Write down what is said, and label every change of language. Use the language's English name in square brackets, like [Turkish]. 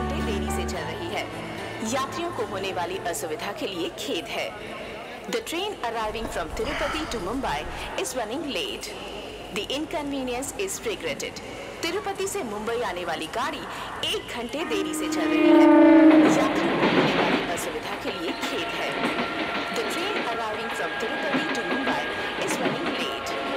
[Hindi] होने वाली असुविधा के लिए खेद है। [English] The train arriving from Tirupati to Mumbai is running late. The inconvenience is regretted. [Hindi] Tirupati से मुंबई आने वाली गाड़ी एक घंटे देरी से चल रही है। यात्रियों को होने वाली असुविधा के लिए खेद है। [English] The train arriving from Tirupati to Mumbai is running late.